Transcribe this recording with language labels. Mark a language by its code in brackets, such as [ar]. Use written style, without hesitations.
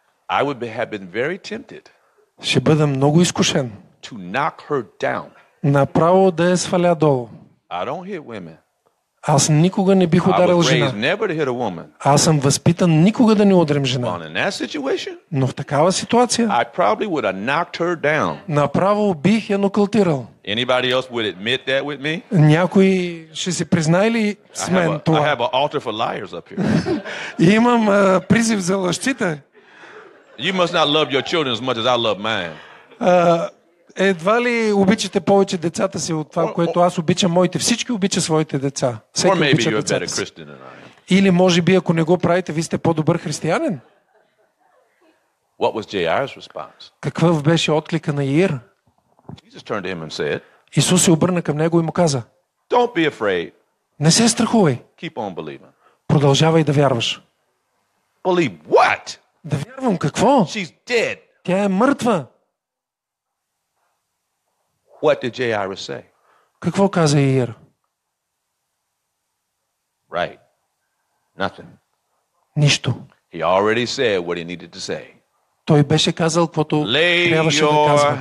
[en] I would have been very tempted. [bg] Ще бъда много изкушен. [en] To knock her down. [bg] Направо да я сваля долу. [en] I don't hit women. [bg] Аз никога не бих ударил жена. [en] I was raised never to hit a woman. [bg] Аз съм възпитан никога да не ударим жена. [en] But in that situation, [bg] но в такава ситуация, [en] I probably would have knocked her down. [bg] Направо бих я нокаутирал. [en] Anybody else would admit that with me? [bg] Някой ще се признае ли с мен това? [en] I have an altar for liars up here. [bg] Имам призив за лъжците. [en] You must not love your children as much as I love mine. [bg] Едва ли обичате повече децата си от това, което аз обичам моите. Всички обичат своите деца. Всеки обича децата си. Или може би, ако не го правите, вие сте по-добър християнин? [en] What was J.R.'s response? [bg] Какъв беше отклика на Иир? [en] Jesus turned to him and said, [bg] Исус се обърна към него и му каза, [en] Don't be afraid. [bg] Не се страхувай. [en] Keep on believing. [bg] Продължавай да вярваш. [en] Believe what? [bg] Да вярвам какво? [en] She's dead. [bg] Тя е мъртва. [en] What did Jairus say? [bg] Какво каза Иир? [en] Right. Nothing. [bg] Нищо. [en] He already said what he needed to say. [bg] Той беше казал, каквото трябваше да казва.